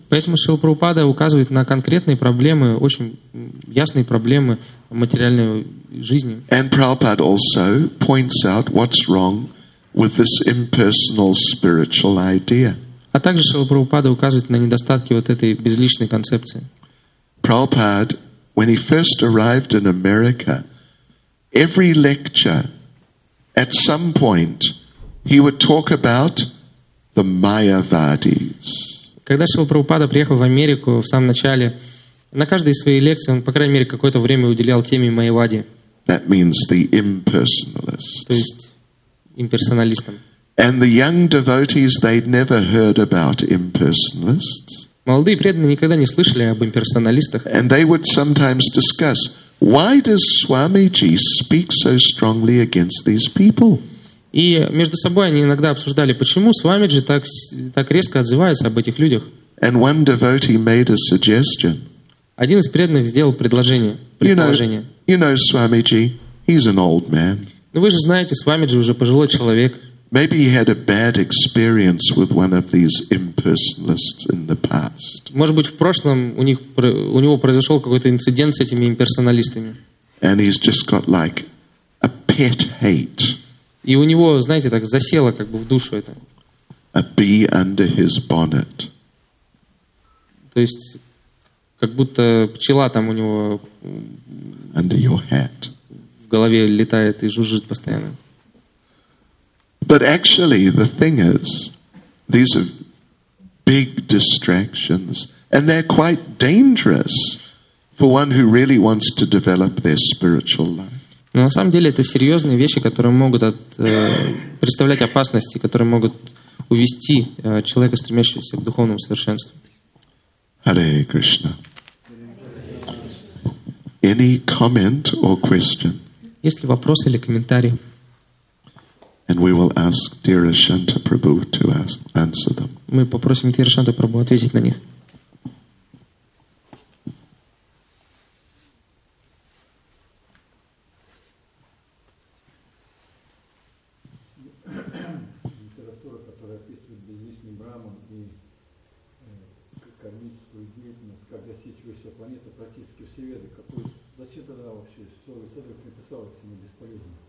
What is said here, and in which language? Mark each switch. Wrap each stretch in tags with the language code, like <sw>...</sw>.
<ru>Поэтому Шрила Прабхупада указывает на конкретные проблемы, очень ясные проблемы материальной жизни.</ru> <en>And Prabhupada also points out what's wrong with this impersonal spiritual idea.</en> <ru>А также Шрила Прабхупада указывает на недостатки вот этой безличной концепции.</ru> <en>Prabhupad, when he first arrived in America, every lecture, at some point, he would talk about the Mayavadis.</en> <ru>Когда Шрила Прабхупада приехал в Америку, в самом начале, на каждой своей лекции он, по крайней мере, какое-то время уделял теме Майявади.</ru> <en>That means the impersonalists.</en> <ru>То есть имперсоналистам.</ru> <en>And the young devotees, they'd never heard about impersonalists.</en> <ru>Молодые преданные никогда не слышали об имперсоналистах.</ru> <en>And they would sometimes discuss, why does Swamiji speak so strongly against these people?</en> <ru>И между собой они иногда обсуждали, почему Свамиджи так резко отзывается об этих людях.</ru> <en>And one devotee made a suggestion.</en> <ru>Один из преданных сделал предложение. Предположение.</ru> <en>You know Swamiji, he's an old man.</en> <ru>Ну вы же знаете, Свамиджи уже пожилой человек.</ru> <en>Maybe he had a bad experience with one of these impersonalists in the past.</en> <ru>Может быть, в прошлом у него произошел какой-то инцидент с этими имперсоналистами.</ru> <en>And he's just got like a pet hate.</en> <ru>И у него, знаете, так засело как бы в душу это.</ru> <en>A bee under his bonnet.</en> <ru>То есть как будто пчела там у него</ru> <en>under your hat.</en> <ru>В голове летает и жужжит постоянно.</ru> <en>But actually, the thing is, these are big distractions, and they're quite dangerous for one who really wants to develop their spiritual life.</en> <ru>Но на самом деле это серьезные вещи, которые могут представлять опасности, которые могут увести человека, стремящегося к духовному совершенству.</ru> <en>Hare Krishna. Any comment or question?</en> <ru>Есть ли вопросы или комментарии?</ru> <en>And we will ask Dear Ashanta Prabhu to answer them.</en> <ru>Мы попросим Дир Ашанта Прабху ответить на них. Литература, которая описывает безличный Брахман и кармическую деятельность, как достичь высшей планеты, практически все веды, зачем тогда вообще все веды написал, если не бесполезно?</ru>